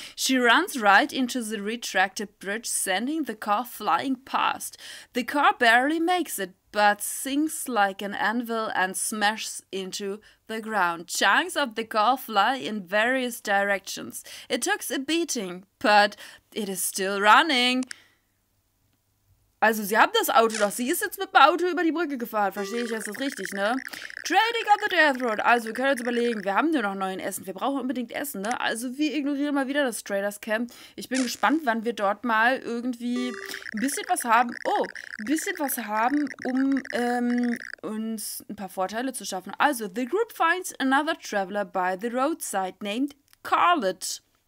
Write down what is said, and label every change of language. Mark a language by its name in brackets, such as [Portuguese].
[English] She runs right into the retracted bridge, sending the car flying past. The car barely makes it, but sinks like an anvil and smashes into the ground. Chunks of the car fly in various directions. It took a beating, but it is still running. [German] Also, sie haben das Auto doch. Sie ist jetzt mit dem Auto über die Brücke gefahren. Verstehe ich jetzt das richtig, ne? [English] Trading on the Death Road. [German] Also, wir können uns überlegen. Wir haben nur noch neuen Essen. Wir brauchen unbedingt Essen, ne? Also, wir ignorieren mal wieder das Traders Camp. Ich bin gespannt, wann wir dort mal irgendwie ein bisschen was haben. Oh, ein bisschen was haben, um uns ein paar Vorteile zu schaffen. [English] Also, the group finds another traveler by the roadside named Carlet.